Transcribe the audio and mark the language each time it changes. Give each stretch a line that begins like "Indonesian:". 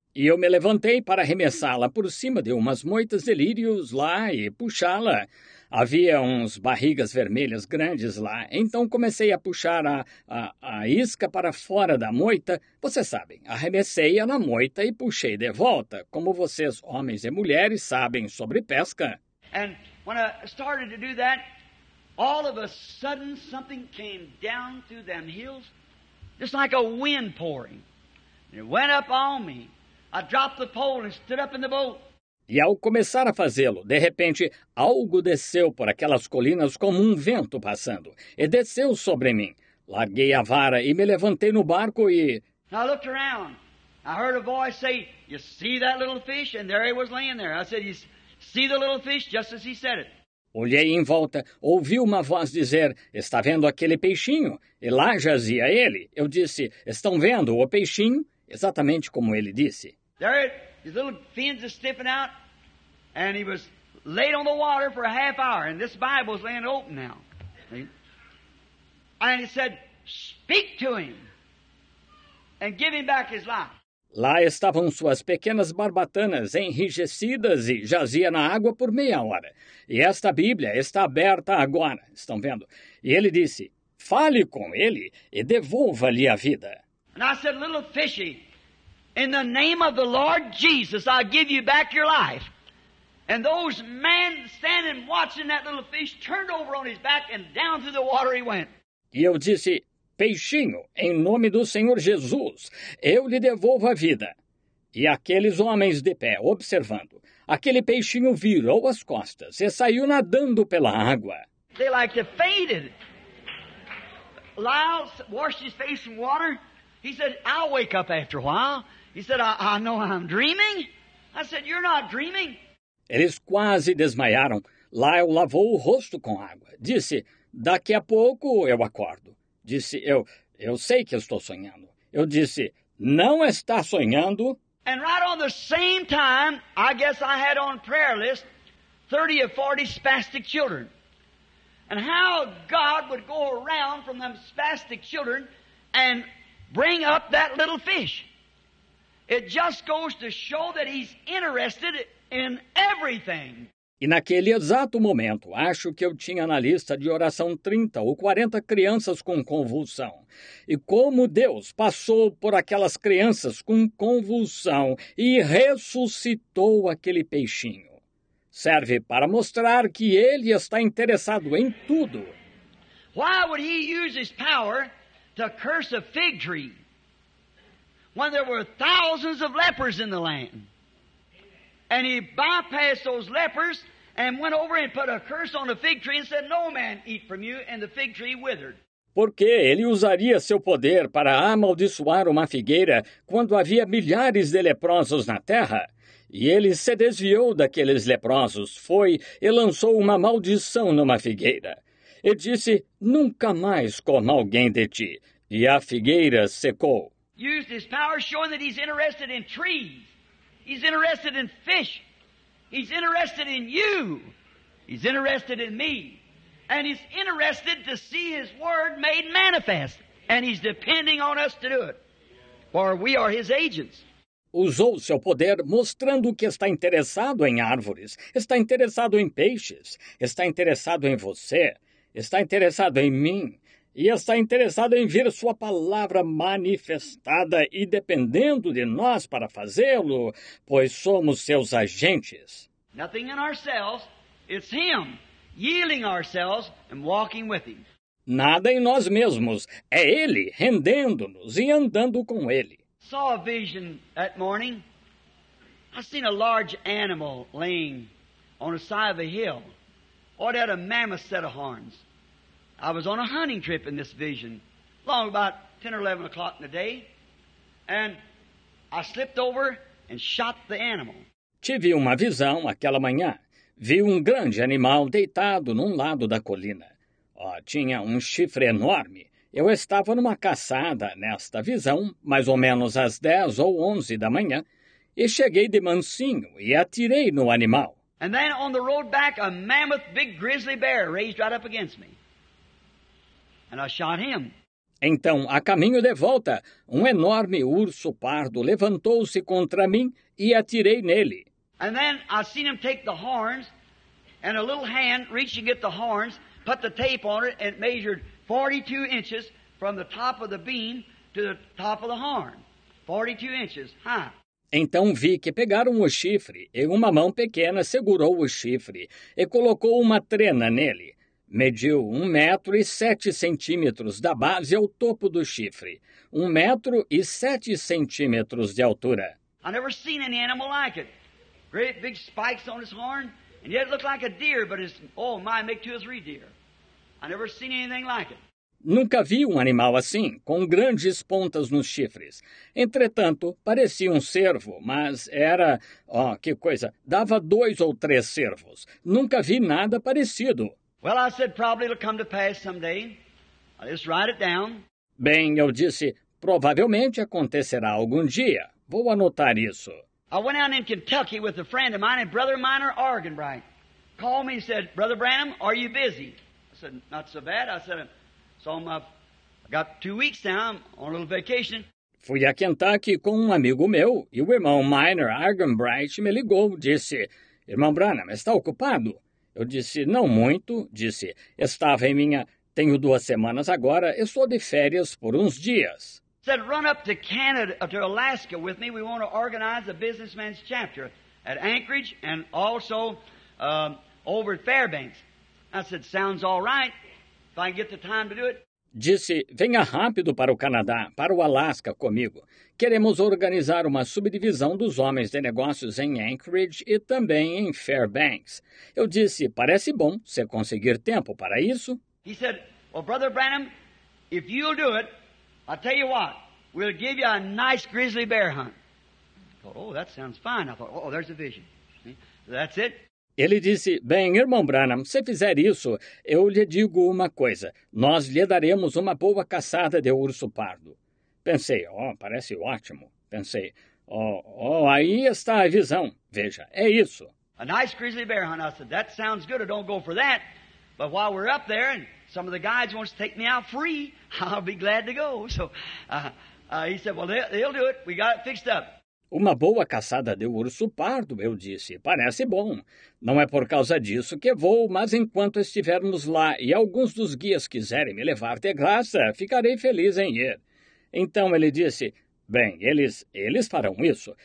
Portuguese: E eu me levantei para arremessá-la por cima de umas moitas de lírios lá e puxá-la. Havia uns barrigas vermelhas grandes lá, então comecei a puxar a isca para fora da moita. Vocês sabem, arremessei-a na moita e puxei de volta, como vocês, homens e mulheres, sabem sobre pesca.
English: And when I started to do that, all of a sudden, something came down through them hills, just like a wind pouring. And it went up on me. I dropped the pole and stood up in the boat.
Portuguese: E ao começar a fazê-lo, de repente, algo desceu por aquelas colinas como um vento passando. E desceu sobre mim. Larguei a vara e me levantei no barco e...
English: I looked around. I heard a voice say, you see that little fish? And there he was laying there. I said, you see the little fish? Just as he said it.
Portuguese: Olhei em volta, ouvi uma voz dizer, está vendo aquele peixinho? E lá jazia ele. Eu disse, estão vendo o peixinho? Exatamente como ele disse.
English: There it, his little fins are stiffened out, and he was laid on the water for a half hour, and this Bible's laying open now. And he said, speak to him, and give him back his life.
Portuguese: Lá estavam suas pequenas barbatanas enrijecidas e jazia na água por meia hora. E esta Bíblia está aberta agora, estão vendo? E ele disse, fale com ele e devolva-lhe a vida.
English: And I said, little fishy, in the name of the Lord Jesus, I give you back your life. And those men standing watching that little fish turned over on his back and down through the water he went.
Portuguese: E eu disse... Peixinho, em nome do Senhor Jesus, eu lhe devolvo a vida. E aqueles homens de pé, observando, aquele peixinho virou as costas e saiu nadando pela água.
English: They like to fade it. Lyle washed his face in water. He said, I'll wake up after a while. He said, I know I'm dreaming. I said, you're not dreaming.
Portuguese: Eles quase desmaiaram. Lyle lavou o rosto com água. Disse, daqui a pouco eu acordo. Disse, eu sei que estou sonhando. Eu disse, não está sonhando.
English: And right on the same time, I guess I had on prayer list 30 or 40 spastic children. And how God would go around from them spastic children and bring up that little fish. It just goes to show that he's interested in everything.
Portuguese: E naquele exato momento, acho que eu tinha na lista de oração 30 ou 40 crianças com convulsão. E como Deus passou por aquelas crianças com convulsão e ressuscitou aquele peixinho. Serve para mostrar que ele está interessado em tudo.
English: Why would he use his power to curse a fig tree when there were thousands of lepers in the land? And he bypassed those lepers and went over and put a curse on the fig tree and said, no man eat from you, and the fig tree withered.
Portuguese: Por que ele usaria seu poder para amaldiçoar uma figueira quando havia milhares de leprosos na terra? E ele se desviou daqueles leprosos, foi e lançou uma maldição numa figueira. E disse, nunca mais coma alguém de ti. E a figueira secou.
English: Used his power showing that he's interested in trees. He's interested in fish. He's interested in you. He's interested in me. And he's interested to see his word made manifest. And he's depending on us to do it. For we are his agents.
Portuguese: Usou seu poder mostrando que está interessado em árvores, está interessado em peixes, está interessado em você, está interessado em mim e está interessado em ver sua palavra manifestada e dependendo de nós para fazê-lo, pois somos seus agentes.
English: Nothing in ourselves, it's him, yielding ourselves and walking with him.
Portuguese: Nada em nós mesmos, é ele rendendo-nos e andando com ele.
English: Saw a vision that morning. I seen a large animal laying on the side of a hill. Oh, it had a mammoth set of horns. I was on a hunting trip in this vision, long about 10 or 11 o'clock in the day, and I slipped over and shot the animal.
Portuguese: Tive uma visão aquela manhã. Vi um grande animal deitado num lado da colina. Oh, tinha um chifre enorme. Eu estava numa caçada nesta visão, mais ou menos às 10 ou 11 da manhã, e cheguei de mansinho e atirei no animal.
English: And then on the road back, a mammoth big grizzly bear raised right up against me. And I shot him.
Portuguese: Então, a caminho de volta, um enorme urso pardo levantou-se contra mim e atirei nele.
English: And then I seen him take the horns and a little hand reaching at the horns, put the tape on it and measured 42 inches from the top of the beam to the top of the horn. 42 inches high.
Portuguese: Então vi que pegaram o chifre e uma mão pequena segurou o chifre e colocou uma trena nele. Mediu 1,07 metros da base ao topo do chifre. 1,07 metros de altura.
English: I never seen any animal like it. Great big spikes on his horn, and yet it looked like a deer, but it's, oh my, make 2 or 3 deer. I never seen anything like it.
Portuguese: Nunca vi um animal assim, com grandes pontas nos chifres. Entretanto, parecia um cervo, mas era, ó, oh, que coisa, dava 2 ou 3 cervos. Nunca vi nada parecido.
English: Well, I said, probably it'll come to pass someday. I'll just write it down.
Portuguese: Bem, eu disse, provavelmente acontecerá algum dia. Vou anotar isso.
English: I went out in Kentucky with a friend of mine, and brother of mine are Oregon bright. Called me and said, Brother Branham, are you busy? I said, not so bad. I said, so I'm up. I got 2 weeks now. I'm on a little vacation.
Portuguese: Fui a Kentucky com amigo meu, e o irmão Minor Argenbright me ligou. Disse, irmão Branham, está ocupado? Eu disse, não muito. Disse, estava em minha, tenho 2 semanas agora, estou de férias por uns dias.
English: Said, run up to Canada, to Alaska with me. We want to organize a businessman's chapter at Anchorage and also over at Fairbanks. I said, sounds all right, if I can get the time to do it.
Portuguese: Disse, venha rápido para o Canadá, para o Alasca comigo. Queremos organizar uma subdivisão dos homens de negócios em Anchorage e também em Fairbanks. Eu disse, parece bom, se conseguir tempo para isso.
English: He said, well, Brother Branham, if you'll do it, I'll tell you what, we'll give you a nice grizzly bear hunt. thought, oh, that sounds fine. I thought, oh, there's a vision. That's it.
Portuguese: Ele disse, bem, irmão Branham, se fizer isso, eu lhe digo uma coisa. Nós lhe daremos uma boa caçada de urso pardo. Pensei, oh, parece ótimo. Pensei, oh, oh, aí está a visão. Veja, é isso.
English: A nice grizzly bear hunt. I said, that sounds good. I don't go for that. But while we're up there and some of the guides want to take me out free, I'll be glad to go. So he said, well, they'll do it. We got it fixed up.
Portuguese: Uma boa caçada de urso pardo, eu disse. Parece bom. Não é por causa disso que vou, mas enquanto estivermos lá e alguns dos guias quiserem me levar de graça, ficarei feliz em ir. Então ele disse, bem, eles farão isso.